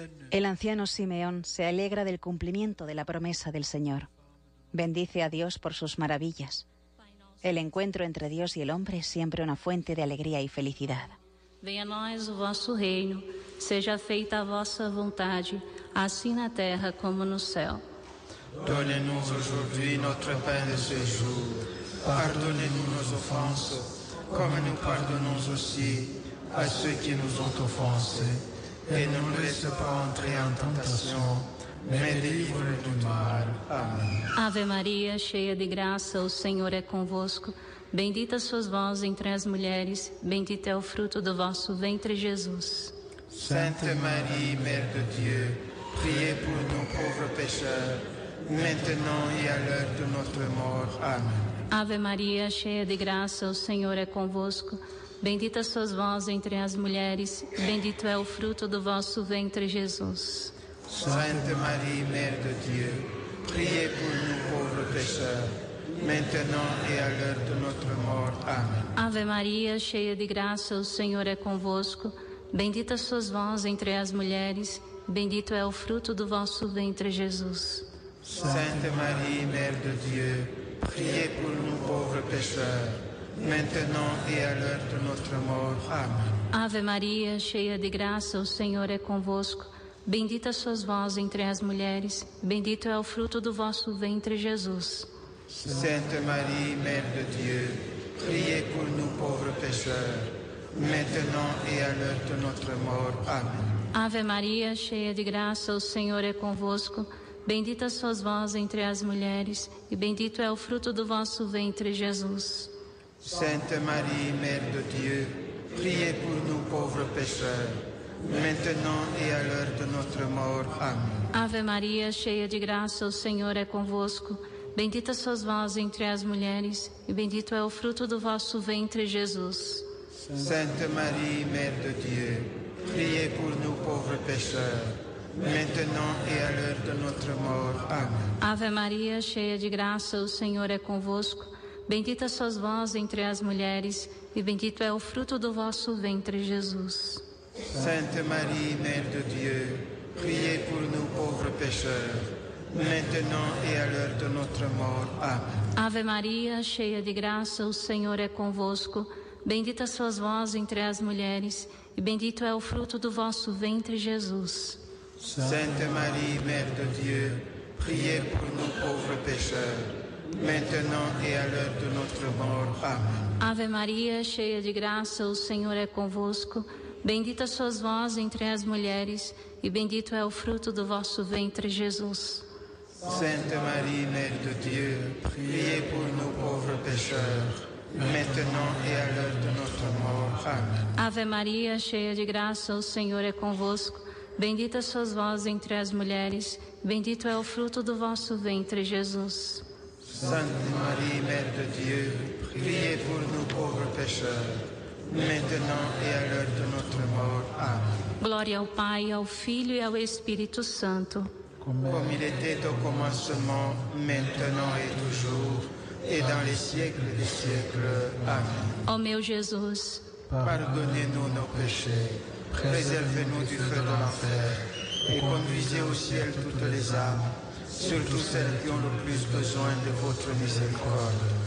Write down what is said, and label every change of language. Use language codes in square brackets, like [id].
[es] El anciano Simeón se alegra del cumplimiento de la promesa del Señor. Bendice a Dios por sus maravillas. El encuentro entre Dios y el hombre es siempre una fuente de alegría y felicidad. [pt] Venha a nós o vosso reino, seja feita a vossa vontade, assim na terra como no céu. Dona-nos hoje o nosso pão de cada dia. [fr] pardonnez-nous nos offenses, comme nous pardonnons aussi à ceux qui nous ont offensés. Et ne nous laisse pas entrer en tentation, mais délivre-nous du mal. Amen. [pt] Ave Maria, cheia de graça, o Senhor é convosco. Bendita sois vós entre as mulheres, bendito é o fruto do vosso ventre, Jesus. [fr] Sainte Marie, Mère de Dieu, priez pour nous pauvres pécheurs, maintenant et à l'heure de notre mort. Amen. [pt] Ave Maria, cheia de graça, o Senhor é convosco. Bendita sois vós entre as mulheres, bendito é o fruto do vosso ventre, Jesus. [fr] Sainte Marie, Mère de Dieu, priez pour nous pauvres pécheurs, maintenant et à l'heure de notre mort. Amen. [pt] Ave Maria, cheia de graça, o Senhor é convosco. Bendita sois vós entre as mulheres, bendito é o fruto do vosso ventre, Jesus. [fr] Sainte Marie, Mère de Dieu, priez pour nous pauvres pécheurs, maintenant et à l'heure de notre mort. Amen. [pt] Ave Maria, cheia de graça, o Senhor é convosco. Bendita sois vós entre as mulheres, bendito é o fruto do vosso ventre, Jesus. [fr] Sainte Marie, Mère de Dieu, priez pour nous pauvres pécheurs, maintenant et à l'heure de notre mort. Amen. [pt] Ave Maria, cheia de graça, o Senhor é convosco. Bendita sois vós entre as mulheres, e bendito é o fruto do vosso ventre, Jesus. [fr] Sainte Marie, Mère de Dieu, priez pour nous pauvres pécheurs, maintenant et à l'heure de notre mort. Amen. [pt] Ave Maria, cheia de graça, o Senhor é convosco. Bendita sois vós entre as mulheres, e bendito é o fruto do vosso ventre, Jesus. [fr] Sainte Marie, Mère de Dieu, priez pour nous pauvres pécheurs, maintenant et à l'heure de notre mort. Amen. [pt] Ave Maria, cheia de graça, o Senhor é convosco. Bendita sois vós entre as mulheres, e bendito é o fruto do vosso ventre, Jesus. [fr] Sainte Marie, Mère de Dieu, priez pour nous pauvres pécheurs, maintenant et à l'heure de notre mort. Amen. [pt] Ave Maria, cheia de graça, o Senhor é convosco. Bendita sois vós entre as mulheres, e bendito é o fruto do vosso ventre, Jesus. [fr] Sainte Marie, Mère de Dieu, priez pour nous pauvres pécheurs, maintenant et à l'heure de notre mort. Amen. [pt] Ave Maria, cheia de graça, o Senhor é convosco. Bendita sois vós entre as mulheres, e bendito é o fruto do vosso ventre, Jesus. [fr] Sainte Marie, Mère de Dieu, priez pour nous pauvres pécheurs, maintenant et à l'heure de notre mort. Amen. [pt] Ave Maria, cheia de graça, o Senhor é convosco. Bendita sois vós entre as mulheres, bendito é o fruto do vosso ventre, Jesus. [fr] Sainte Marie, Mère de Dieu, priez pour nous pauvres pécheurs, maintenant et à l'heure de notre mort. Amen. [pt] Glória ao Pai, ao Filho e ao Espírito Santo. [fr] Comme il était au commencement, maintenant et toujours, et dans les siècles des siècles. Amen. [pt] Ô meu Jésus, [fr] pardonnez-nous nos péchés, préservez-nous du feu de l'enfer, et conduisez au ciel toutes les âmes, surtout celles qui ont le plus besoin de votre miséricorde.